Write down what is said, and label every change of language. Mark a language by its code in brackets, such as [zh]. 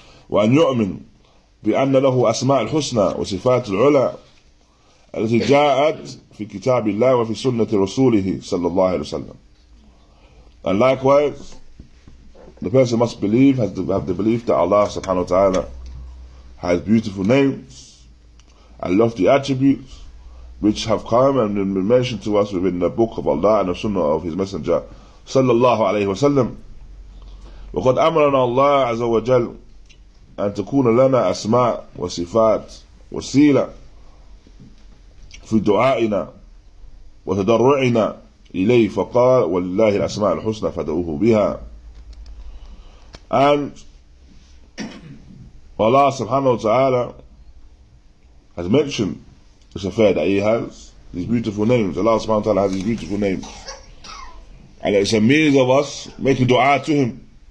[ar] وأن يؤمن بأن له أسماء الحسنى وصفات العلى التي جاءت في كتاب الله وفي سنة رسوله صلى الله عليه وسلم. [en] And likewise, the person must believe, have the belief that Allah subhanahu wa ta'ala has beautiful names and lofty attributes which have come and been mentioned to us within the book of Allah and the sunnah of his messenger [ar] صلى الله عليه وسلم. وقد أمرنا الله عز وجل أن تكون لنا أسماء وصفات وسيلة في دعائنا وتضرعنا إليه فقال ولله الأسماء الحسنى فادعوه بها. [en] And Allah subhanahu wa ta'ala has mentioned this affair that he has these beautiful names. Allah subhanahu wa ta'ala has these beautiful names, and it's a means of us making dua to him.